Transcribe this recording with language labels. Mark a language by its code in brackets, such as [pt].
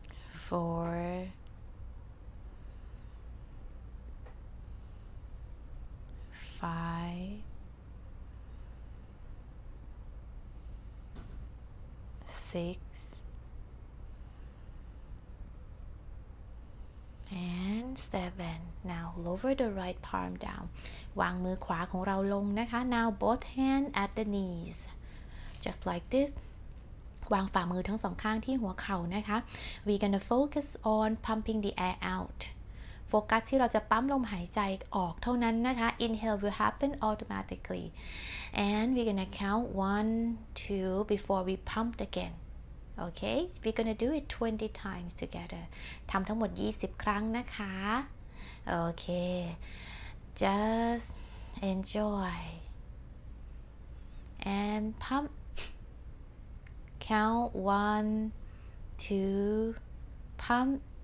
[en] for five, six, and seven. Now lower the right palm down. [th] วางมือขวาของเราลงนะคะ. [en] Now both hands at the knees, just like this. วางฝ่ามือทั้งสองข้างที่หัวเข่านะคะ We're gonna focus on pumping the air out โฟกัสที่เราจะปั๊มลมหายใจออกเท่านั้นนะคะ Inhale will happen automatically And we're gonna count 1, 2 before we pump again Okay, we're gonna do it 20 times together ทำทั้งหมด20ครั้งนะคะ Okay, just enjoy And pumpCount 1, 2, pump.